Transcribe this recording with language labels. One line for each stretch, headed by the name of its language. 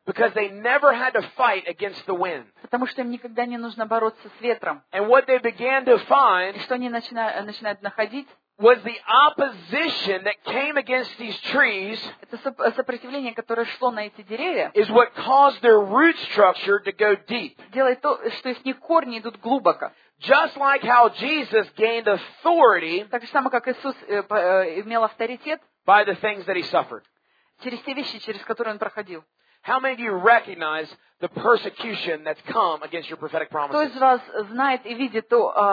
English: Because they never had to fight against the wind.
Russian: Потому что им никогда не нужно бороться с ветром.
English: And what they began to find.
Russian: И что они начинают находить.
English: Was the opposition that came against these trees?
Russian: Это сопротивление, которое шло на эти деревья.
English: Is what caused their root structure to go deep.
Russian: Делает то, что их корни идут глубоко.
English: Just like how Jesus gained authority.
Russian: Так же самое, как Иисус имел авторитет.
English: By the things that he suffered.
Russian: Через те вещи, через которые он проходил.
English: How many of you recognize the persecution that's come against your prophetic promises?
Russian: Кто из вас знает и видит то?